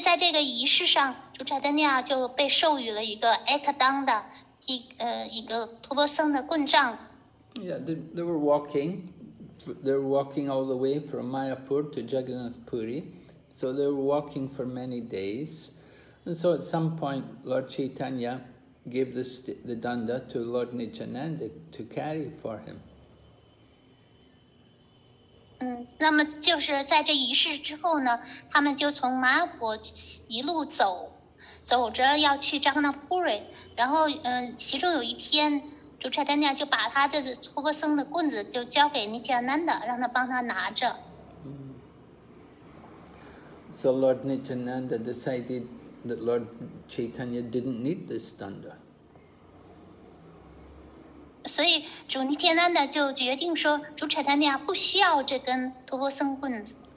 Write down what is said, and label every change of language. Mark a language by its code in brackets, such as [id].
[zh] 在主柴丹尼亚他当了托钵僧，所以在这个仪式上，主柴丹尼亚就被授予了一个 ekadanda， 一个托钵僧的棍杖。 [en] Yeah, they were walking, all the way from Mayapur to Jagannath Puri, so they were walking for many days, and so at some point Lord Chaitanya gave the danda to Lord Nityananda to carry for him. [zh] 那么就是在这仪式之后呢，他们就从马普一路走，走着要去张那布瑞，然后其中有一天，主差丹尼亚就把他的托钵僧的棍子就交给尼提安南的，让他帮他拿着。 [en] So Lord Nityananda decided that Lord Chaitanya didn't need this danda. So, Lord Nityananda decided that Lord Chaitanya didn't need this danda.